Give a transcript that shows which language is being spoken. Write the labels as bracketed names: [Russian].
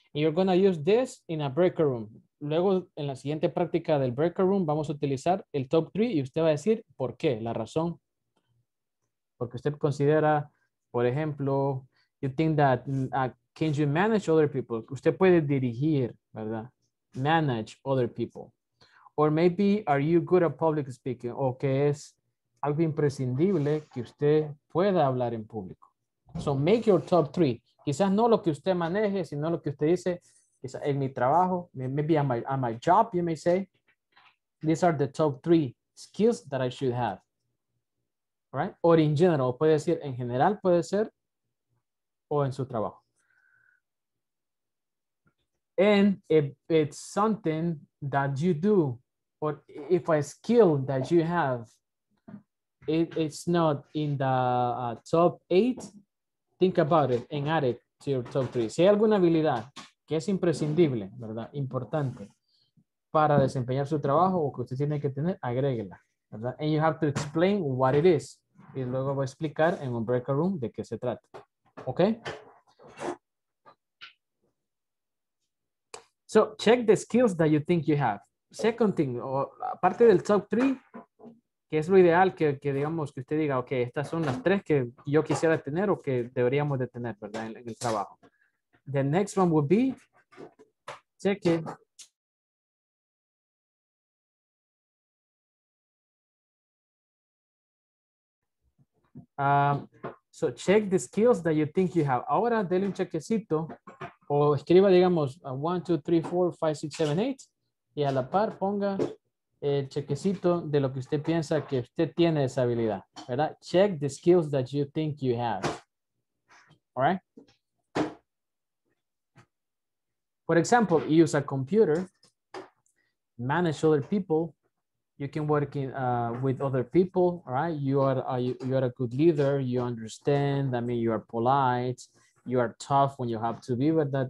[English] And you're going to use this in a break room. [Spanish] Luego, en la siguiente práctica del break room, vamos a utilizar el top 3 y usted va a decir por qué, la razón. Porque usted considera, por ejemplo, [English] you think that, can you manage other people? [Spanish] Usted puede dirigir, ¿verdad? [English] Manage other people. Or maybe, are you good at public speaking? [Spanish] O que es algo imprescindible que usted pueda hablar en público. [English] So, make your top 3. [Spanish] Quizás no lo que usted maneje, sino lo que usted dice, quizás en mi trabajo, [English] maybe on my job, you may say, these are the top 3 skills that I should have. Right? Or in general, [Spanish] puede decir, en general puede ser, o en su trabajo. [English] And if it's something that you do, or if a skill that you have, it's not in the top 8, think about it and add it to your top 3. [Spanish] Si hay alguna habilidad que es imprescindible, ¿verdad? Importante para desempeñar su trabajo o que usted tiene que tener, agréguela, ¿verdad? [English] And you have to explain what it is. [Spanish] Y luego voy a explicar en un break room de qué se trata. ¿Ok? [English] So, check the skills that you think you have. Second thing, [Spanish] o aparte del top 3, que es lo ideal que digamos que usted diga, ok, estas son las 3 que yo quisiera tener o que deberíamos de tener, ¿verdad? En el trabajo. [English] The next one would be, check it. So check the skills that you think you have. [Spanish] Ahora dele un chequecito o escriba, digamos, 1, 2, 3, 4, 5, 6, 7, 8 y a la par ponga el chequecito de lo que usted piensa que usted tiene esa habilidad, ¿verdad? [English] Check the skills that you think you have. All right? For example, you use a computer, manage other people, you can work in, with other people, right? You are a good leader, you understand, I mean, you are polite, you are tough when you have to be, ¿verdad?